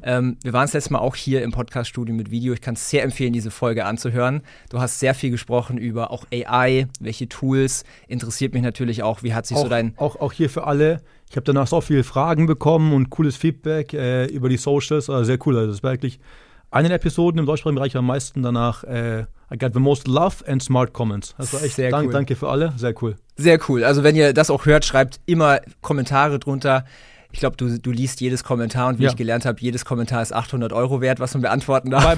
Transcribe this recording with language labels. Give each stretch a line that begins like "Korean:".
German: Wir waren es letztes Mal auch hier im Podcast-Studio mit Video. Ich kann es sehr empfehlen, diese Folge anzuhören. Du hast sehr viel gesprochen über auch AI, welche Tools. Interessiert mich natürlich auch, wie hat sich auch, so dein... Auch hier für alle. Ich habe danach so viele Fragen bekommen und cooles Feedback über die Socials. Also sehr cool. Also das war wirklich eine der Episoden im deutschsprachigen Bereich, am meisten danach...
English: I got the most love and smart comments.
German: Also echt, sehr cool. Danke für alle. Sehr cool. Sehr cool. Also wenn ihr das auch hört, schreibt immer Kommentare drunter. Ich glaube, du liest jedes Kommentar und wie ich gelernt habe, jedes Kommentar ist 800 Euro wert, was man beantworten darf.